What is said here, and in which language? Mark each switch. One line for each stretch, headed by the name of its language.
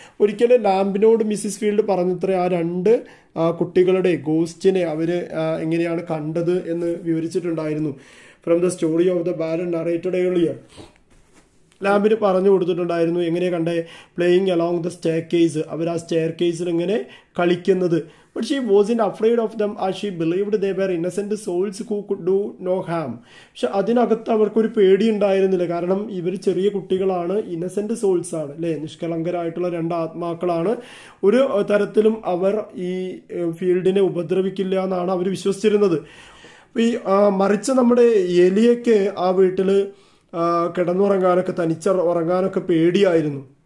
Malayalam: ഒരിക്കലും ലാംബിനോട് Mrs field പറഞ്ഞത്ര ആ രണ്ട് കുട്ടികളുടെ ഗോസ്റ്റിനെ അവർ എങ്ങനെയാണ് കണ്ടത് എന്ന് വിവരിച്ചിട്ടുണ്ടായിരുന്നു.
English: from the story of the barren narrated earlier,
Malayalam: ലാംബിന് പറഞ്ഞു കൊടുത്തിട്ടുണ്ടായിരുന്നു എങ്ങനെയാണ് കണ്ടേ
English: playing along the staircase,
Malayalam: അവർ ആ സ്റ്റേർ കേസിൽ ഇങ്ങനെ കളിക്കുന്നത്.
English: But she wasn't afraid of them as she believed they were innocent souls who could do no harm.
Malayalam: പക്ഷെ അതിനകത്ത് അവർക്കൊരു പേടി ഉണ്ടായിരുന്നില്ല, കാരണം ഇവർ ചെറിയ കുട്ടികളാണ്,
English: innocent souls
Malayalam: ആണ് അല്ലേ, നിഷ്കളങ്കരായിട്ടുള്ള രണ്ട് ആത്മാക്കളാണ്. ഒരു തരത്തിലും അവർ ഈ ഫീൽഡിനെ ഉപദ്രവിക്കില്ല എന്നാണ് അവർ വിശ്വസിച്ചിരുന്നത്. അപ്പോൾ ഈ മറിച്ച് നമ്മുടെ എലിയൊക്ക് ആ വീട്ടിൽ കിടന്നുറങ്ങാനൊക്കെ, തനിച്ച് ഉറങ്ങാനൊക്കെ പേടിയായിരുന്നു.